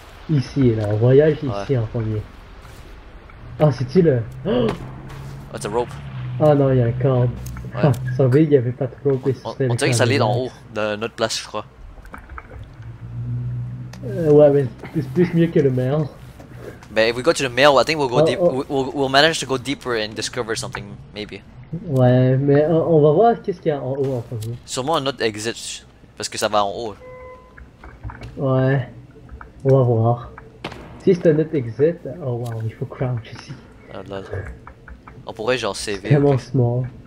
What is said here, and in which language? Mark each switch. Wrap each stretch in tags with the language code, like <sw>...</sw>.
<fr>Ici là, on voyage ici en premier. Oh, c'est-tu le.</fr> <en>Oh, it's a rope.</en> <fr>Oh non, il y a un corde. Ouais. Ah, ça veut dire y avait pas de rope et c'était. On dirait que ça allait en haut de notre place, je crois. Ouais, mais c'est plus mieux que le mail.</fr> <en>Mais if we go to the mail, I think we'll go deep. We'll manage to go deeper and discover something, maybe.</en> <fr>Ouais, mais on va voir qu'est-ce qu'il y a en haut en premier. Sûrement un autre exit, parce que ça va en haut. Ouais, on va voir. Si c'est un autre exit, oh wow, il faut crouch ici. Oh lol. On pourrait genre CV. C'est tellement small.</fr>